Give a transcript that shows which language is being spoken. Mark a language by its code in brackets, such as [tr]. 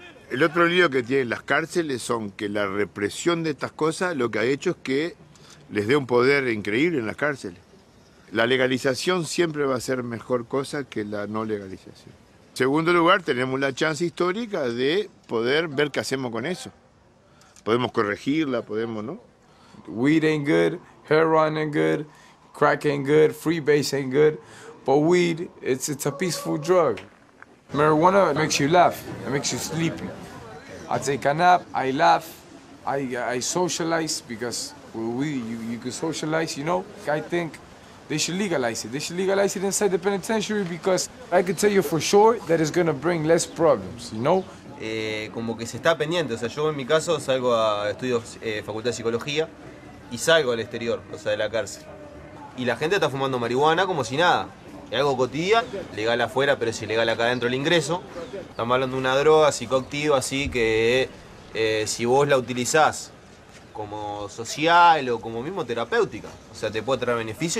[es] El otro lío que tienen las cárceles son que la represión de estas cosas lo que ha hecho es que les dé un poder increíble en las cárceles. La legalización siempre va a ser mejor cosa que la no legalización. En segundo lugar, tenemos la chance histórica de poder ver qué hacemos con eso. Podemos corregirla, podemos, ¿no? [en] Weed ain't good, Heroin ain't good, crack ain't good, freebase ain't good, but weed, it's a peaceful drug. Marijuana makes you laugh, it makes you sleepy. I take a nap, I laugh, I socialize, because with weed, you can socialize, you know? I think they should legalize it. They should legalize it inside the penitentiary, because I can tell you for sure that it's gonna bring less problems, you know? [es] Como que se está pendiente, o sea, yo en mi caso salgo a estudios Facultad de Psicología y salgo al exterior, o sea, de la cárcel. Y la gente está fumando marihuana como si nada. Es algo cotidiano, legal afuera, pero es ilegal acá adentro el ingreso. Estamos hablando de una droga psicoactiva, así que si vos la utilizás como social o como mismo terapéutica, o sea, te puede traer beneficio.